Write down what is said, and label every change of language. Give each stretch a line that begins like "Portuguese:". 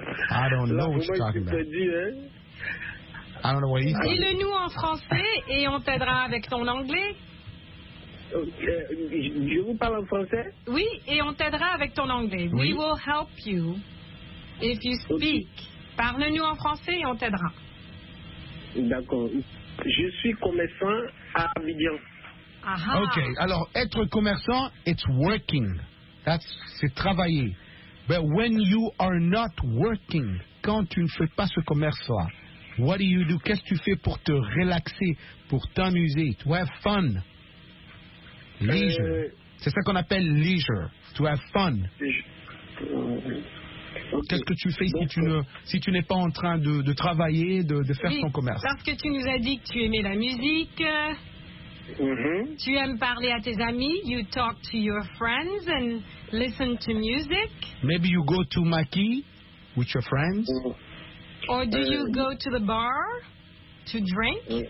English: I don't know what you're talking about. I don't know what he thought.
French: Dis-le-nous en français et on t'aidera avec ton anglais. Je vous parle en français? Oui, et on t'aidera avec ton anglais. Oui.
English: We will help you if you speak. Okay.
French: Parle-nous en français et on t'aidera. D'accord. Je suis commerçant à Abidjan. Aha. Ok, alors être commerçant,
English: it's working. That's,
French: c'est travailler.
English: But when you are not working,
French: quand tu ne fais pas ce commerce-là,
English: what do you do?
French: Qu'est-ce que tu fais pour te relaxer, pour t'amuser?
English: To have fun.
French: Leisure. C'est ça qu'on appelle leisure.
English: To have fun. Okay.
French: Qu'est-ce que tu fais si tu, ne, si tu n'es pas en train de travailler, de faire oui, ton commerce? Parce que tu nous as dit que tu aimais la musique. Mm-hmm. Tu aimes parler à tes amis.
English: You talk to your friends and listen to music. Maybe you go to Maki with your friends. Mm-hmm. Or do you go to the bar to drink?